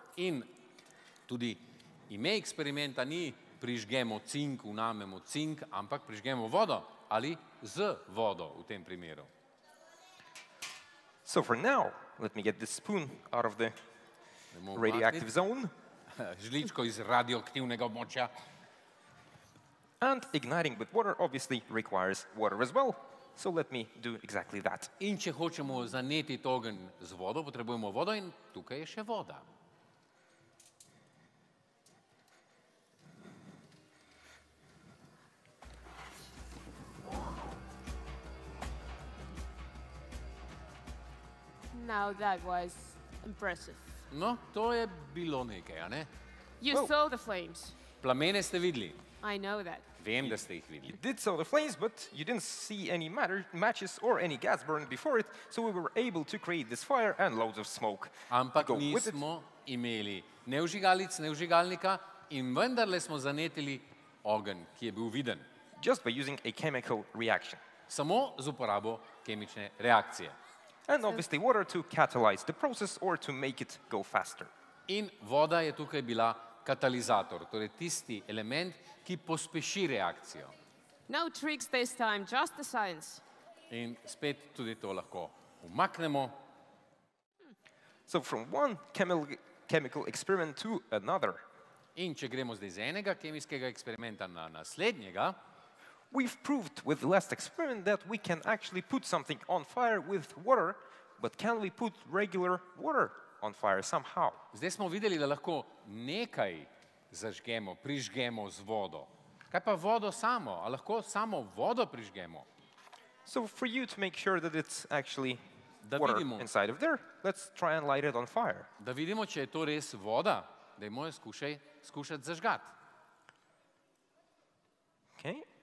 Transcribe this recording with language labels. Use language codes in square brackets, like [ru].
[sl] In tudi ime eksperimenta ni prižgemo cink, vnamemo cink, ampak prižgemo vodo ali z vodo v tem primeru. [en] So for now, let me get this spoon out of the radioactive zone. [sl] Žličko iz radioaktivnega območja. [en] And igniting with water obviously requires water as well. So let me do exactly that. [sl] In če hočemo zanetiti ogenj z vodo, potrebujemo vodo in tukaj je še voda. [en] Now that was impressive. [sl] No, to je bilo nekaj, a ne? [en] You saw the flames. [sl] Plamene ste videli. [en] I know that. [sl] Vem, da ste jih videli. [en] You did saw the flames, but you didn't see any matches or any gas burned before it, so we were able to create this fire and loads of smoke. [sl] Ampak nismo imeli ne vžigalic, ne vžigalnika in vendarle smo zanetili ogenj, ki je bil viden. [en] Just by using a chemical reaction. [sl] Samo z uporabo kemične reakcije. [en] And obviously water to catalyze the process or to make it go faster. [sl] In voda je tukaj bila katalizator, torej tisti element, ki pospeši reakcijo. [en] No tricks this time, just the science. [sl] In spet tudi to lahko umaknemo. [en] So from one chemical experiment to another. [sl] In če gremo zdaj z enega kemijskega eksperimenta na naslednjega, [en] We've proved with the last experiment that we can actually put something on fire with water, but can we put regular water on fire somehow? [sl] Zdaj smo videli, da lahko nekaj zažgemo, prižgemo z vodo. Kaj pa vodo samo? A lahko samo vodo prižgemo? [en] So for you to make sure that it's actually water inside of there, let's try and light it on fire. [sl] Da vidimo, če je to res voda, dajmo jo skušati zažgat. Okay.